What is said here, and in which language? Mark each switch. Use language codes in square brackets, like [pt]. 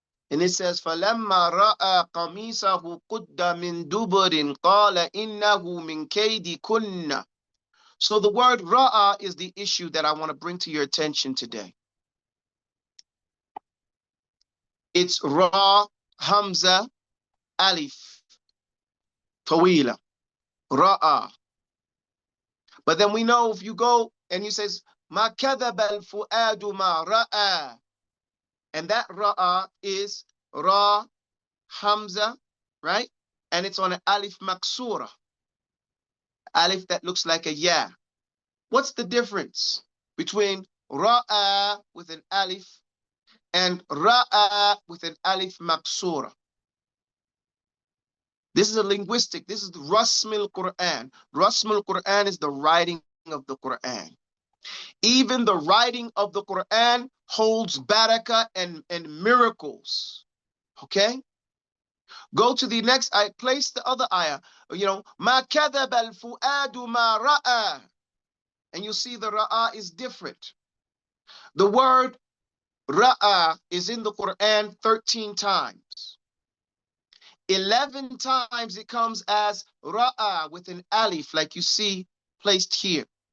[en] And it says, [ar] فَلَمَّا رَأَى قَمِيصَهُ قُدَّ مِن دُبُرٍ قَالَ إِنَّهُ مِن كَيْدِكُنَّ. [en] So the word ra'a is the issue that I want to bring to your attention today. It's ra, hamza, alif, tawila, ra'a. But then we know if you go and you says, [ar] مَا كَذَبَ الْفُؤَادُ مَا رَأَى. [en] And that ra'a is Ra, Hamza, right? And it's on an Alif Maksura. Alif that looks like a Ya. What's the difference between Ra'a with an Alif and Ra'a with an Alif Maksura? This is a linguistic. This is the Rasmil Quran. Rasmil Quran is the writing of the Quran. Even the writing of the Quran holds baraka and miracles. Okay? Go to the next ayah. Place the other ayah. You know, [ar] مَا كَذَبَ الْفُؤَادُ مَا رَأَى. [en] And you see the ra'a is different. The word Ra'a is in the Quran 13 times. 11 times it comes as Ra'a with an alif, like you see placed here.